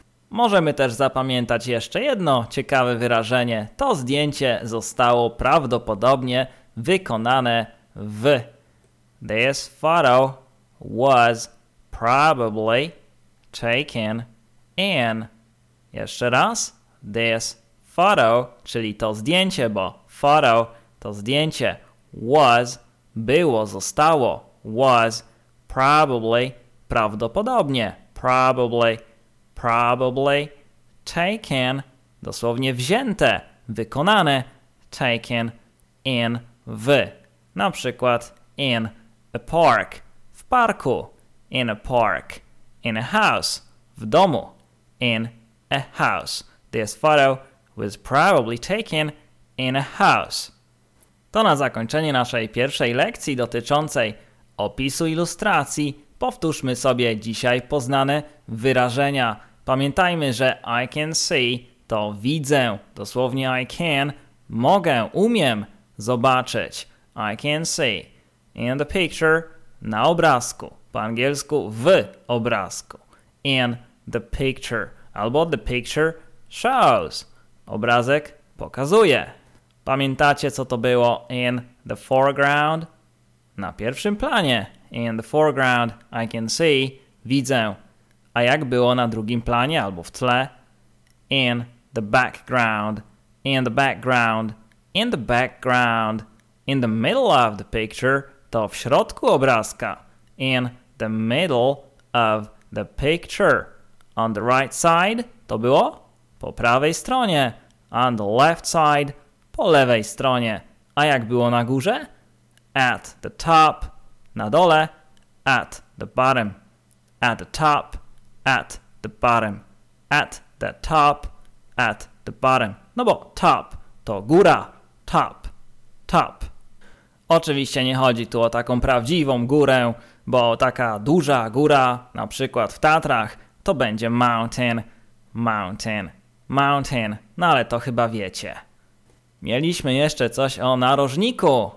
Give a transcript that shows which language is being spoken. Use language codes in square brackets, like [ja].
[pl] Możemy też zapamiętać jeszcze jedno ciekawe wyrażenie. To zdjęcie zostało prawdopodobnie wykonane w. [en] This photo was probably taken in. [pl] Jeszcze raz. [en] This photo, [pl] czyli to zdjęcie, bo photo to zdjęcie, [en] was, [pl] było, zostało, [en] was probably, [pl] prawdopodobnie, [en] probably, probably taken, [pl] dosłownie wzięte, wykonane, [en] taken in [pl] w, na przykład [en] in a park, [pl] w parku, [en] in a park, in a house, [pl] w domu, [en] in a house. This photo was probably taken in a house. [pl] To na zakończenie naszej pierwszej lekcji dotyczącej opisu ilustracji powtórzmy sobie dzisiaj poznane wyrażenia. Pamiętajmy, że [en] I can see [pl] to widzę, dosłownie [en] I can, [pl] mogę, umiem zobaczyć. [en] I can see in the picture, [pl] na obrazku, po angielsku w obrazku. [en] In the picture, [pl] albo [en] the picture shows, [pl] obrazek pokazuje. Pamiętacie, co to było [en] in the foreground, [pl] na pierwszym planie. [en] In the foreground, I can see, [pl] widzę. A jak było na drugim planie albo w tle? [en] In the background, in the background, in the background, in the middle of the picture, [pl] to w środku obrazka. [en] In the middle of the picture. On the right side, [pl] to było po prawej stronie. [en] On the left side, [pl] po lewej stronie. A jak było na górze? [en] At the top, [pl] na dole. [en] At the bottom, at the top. At the bottom, at the top, at the bottom. [pl] No bo top to góra, top, top. Oczywiście nie chodzi tu o taką prawdziwą górę, bo taka duża góra, na przykład w Tatrach, to będzie mountain, mountain, mountain. No ale to chyba wiecie. Mieliśmy jeszcze coś o narożniku.